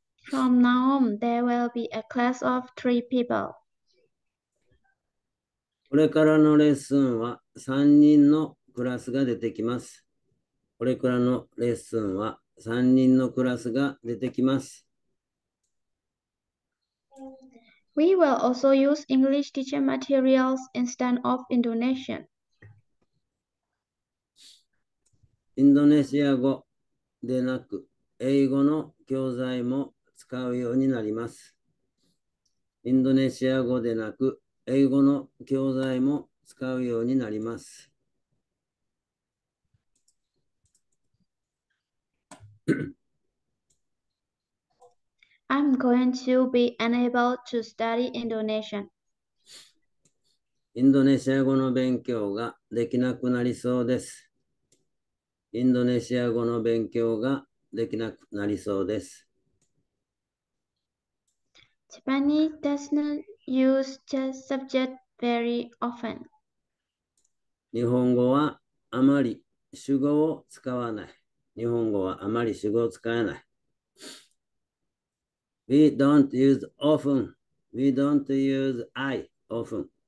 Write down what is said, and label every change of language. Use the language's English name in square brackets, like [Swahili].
[English] From now on, there will be a class of three people. [Japanese] これからのレッスンは3人のクラスが出てきます。これからのレッスンは3人のクラスが出てきます。 [English] We will also use English teacher materials instead of Indonesian. [Japanese] インドネシア語でなく、英語の教材も使うようになります。インドネシア語でなく、英語の教材も使うようになります。 [English] I'm going to be unable to study Indonesian. [Japanese] インドネシア語の勉強ができなくなりそうです。インドネシア語の勉強ができなくなりそうです。 [English] Japanese does not use the subject very often. [Japanese] 日本語はあまり主語を使わない。日本語はあまり主語を使えない。 [English] We don't use often. We don't use I often.